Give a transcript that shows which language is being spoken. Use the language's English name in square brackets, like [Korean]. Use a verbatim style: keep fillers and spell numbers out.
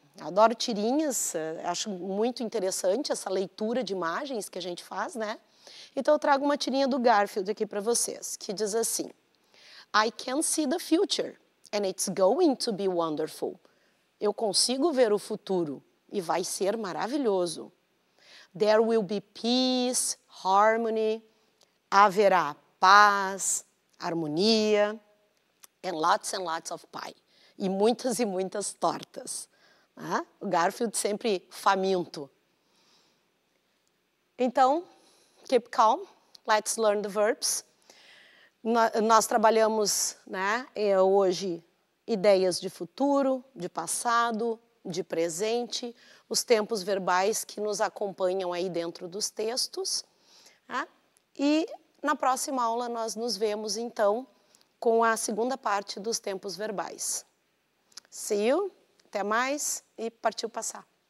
[Portuguese] Adoro tirinhas, acho muito interessante essa leitura de imagens que a gente faz, né? Então eu trago uma tirinha do Garfield aqui para vocês, que diz assim: [English] I can see the future, and it's going to be wonderful. [Portuguese] Eu consigo ver o futuro, e vai ser maravilhoso. [English] There will be peace, harmony. [Portuguese] Haverá paz, harmonia, [English] and lots and lots of pie. [Portuguese] E muitas e muitas tortas. Ah, o Garfield sempre faminto. Então, [English] keep calm, let's learn the verbs. [Portuguese] Nós trabalhamos, né, hoje ideias de futuro, de passado, de presente, os tempos verbais que nos acompanham aí dentro dos textos. Né? E na próxima aula nós nos vemos, então, com a segunda parte dos tempos verbais. [English] See you, [Portuguese] até mais e partiu passar.